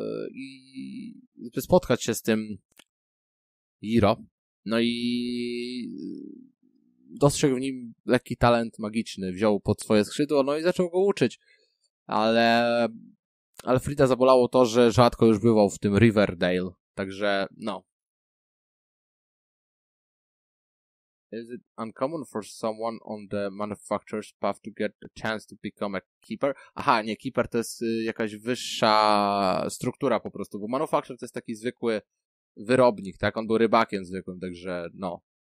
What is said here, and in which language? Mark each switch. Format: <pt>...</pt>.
<pl>i spotkać się z tym Hiro, no i dostrzegł w nim lekki talent magiczny, wziął pod swoje skrzydło, no i zaczął go uczyć, ale Alfreda zabolało to, że rzadko już bywał w tym Riverdale, także no.</pl> <en>Is it uncommon for someone on the manufacturer's path to get a chance to become a keeper?</en> <pl>Aha, nie, keeper to jest jakaś wyższa struktura po prostu, bo manufacturer to jest taki zwykły wyrobnik, tak? On był rybakiem zwykłym, także no.</pl>